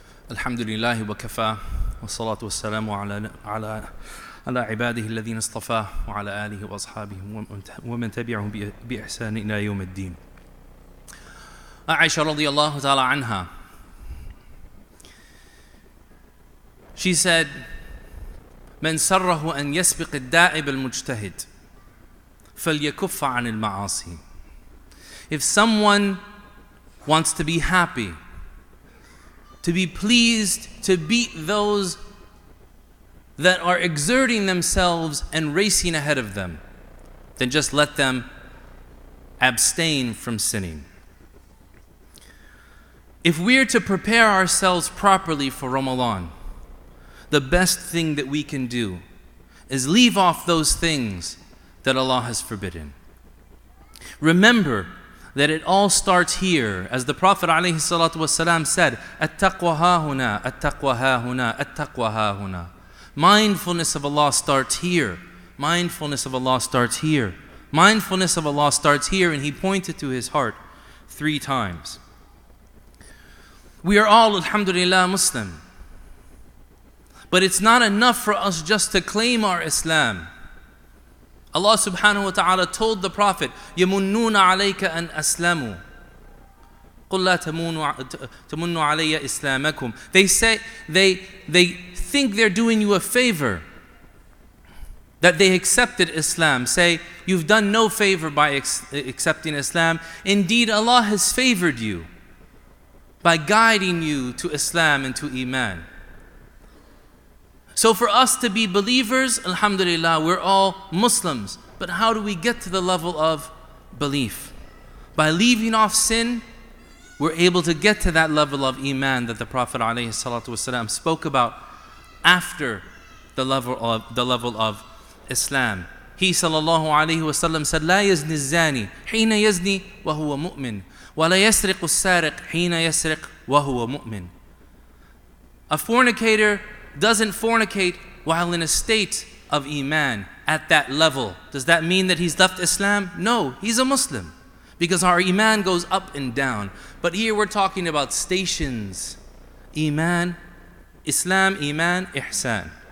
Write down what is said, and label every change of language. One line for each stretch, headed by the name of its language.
Arabic: الحمد لله وكفى والصلاة والسلام على عباده الذين اصطفاه وعلى آله وأصحابه ومن تبعهم بإحسان إلى يوم الدين. عائشة رضي الله تعالى عنها,
English: she said,
Arabic: من سره أن يسبق الدائب المجتهد فليكف عن المعاصي.
English: If someone wants to be happy, to be pleased, to beat those that are exerting themselves and racing ahead of them, then just let them abstain from sinning. If we're to prepare ourselves properly for Ramadan, the best thing that we can do is leave off those things that Allah has forbidden. Remember that it all starts here. As the Prophet alayhi salatu wasalam said,
Arabic: at-taqwa hahuna, at-taqwa hahuna, at-taqwa hahuna.
English: Mindfulness of Allah starts here. Mindfulness of Allah starts here. Mindfulness of Allah starts here. And he pointed to his heart three times. We are all, alhamdulillah, Muslim. But it's not enough for us just to claim our Islam. Allah subhanahu wa ta'ala told the Prophet,
Arabic: يَمُنُّونَ عَلَيْكَ أَنْ أَسْلَمُوا قُلْ لَا تَمُنُّوا عَلَيَّ إِسْلَامَكُمْ.
English: They say, they think they're doing you a favor that they accepted Islam. Say, you've done no favor by accepting Islam. Indeed, Allah has favored you by guiding you to Islam and to Iman. So for us to be believers, alhamdulillah, we're all Muslims. But how do we get to the level of belief? By leaving off sin, we're able to get to that level of Iman that the Prophet ﷺ spoke about after the level of Islam. He sallallahu alayhi wa sallam said,
Arabic: لا يزني الزاني حين يزني وهو مؤمن ولا يسرق السارق حين يسرق وهو مؤمن.
English: A fornicator doesn't fornicate while in a state of Iman at that level. Does that mean that he's left Islam? No, he's a Muslim. Because our Iman goes up and down. But here we're talking about stations. Iman, Islam, Iman, Ihsan.